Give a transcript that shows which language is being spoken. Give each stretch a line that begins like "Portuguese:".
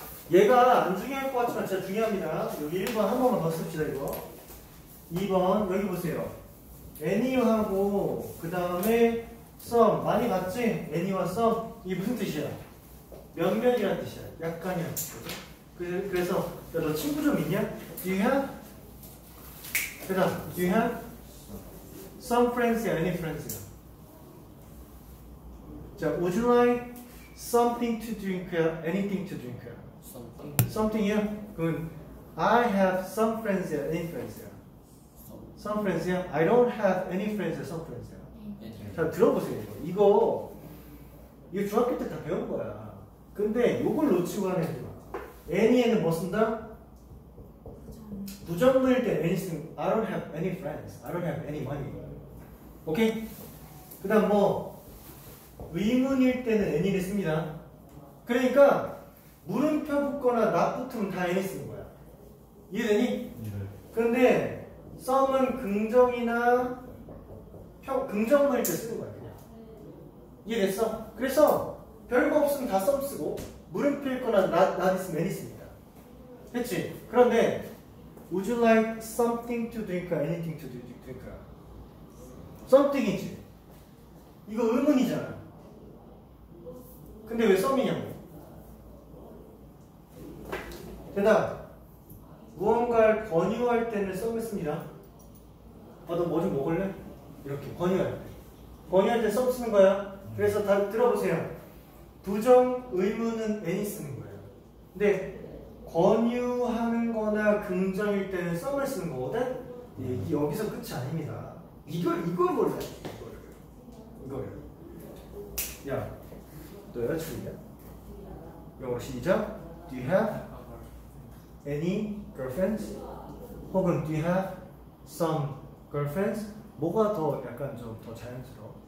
Korean: 얘가 안 중요할 것 같지만 진짜 중요합니다. 여기 1번 한 번만 더 씁시다 이거. 2번 여기 보세요. any하고 그 다음에 some 많이 봤지? any와 some 이게 무슨 뜻이야? 몇몇이란 뜻이야. 약간이란 뜻이거든. 그래서 야, 너 친구 좀 있냐?
English: do you have?
Korean: 그 다음
English: do you have? some friends야 any friends야. 자, would you like something to drink? anything to drink? something
Korean: something이야? 그건
English: I have some friends here, any friends here? Some friends here? I don't have any friends here, some friends here.
Korean: 자, 들어보세요. 이거 이거 중학교 때 다 배운 거야. 근데 이걸 놓치고 하는 애들 많아. Any에는 뭐 쓴다? 부정문일 때 any 쓴,
English: I don't have any friends. I don't have any money. 오케이?
Korean: 그 다음 뭐 의문일 때는 any를 씁니다. 그러니까 물음표 붙거나 not 붙으면 다 any 쓰는 거야. 이해되니? 근데 some은 긍정이나 긍정문일 때 쓰는 거야. 이해됐어? 그래서 별거 없으면 다 some 쓰고 물음표 있거나 not 있으면 any 씁니다. 그치? 그런데
English: would you like something to drink or anything to drink?
Korean: something이지. 이거 의문이잖아. 근데 왜 some이냐고. 대답. 무언가를 권유할 때는 some 씁니다. 아, 너 뭐 좀 먹을래? 이렇게 권유할 때. 권유할 때 some 쓰는 거야. 그래서 다 들어보세요. 부정 의문은 any 쓰는 거예요. 근데 권유하는 거나 긍정일 때는 some을 쓰는 거거든? 이게 여기서 끝이 아닙니다. 이걸 몰라. 이걸. 야, 너 여자친구야? 영어 시작.
English: Do you have any girlfriends?
Korean: 혹은
English: do you have some girlfriends?
Korean: 뭐가 더 약간 좀 더 자연스러워?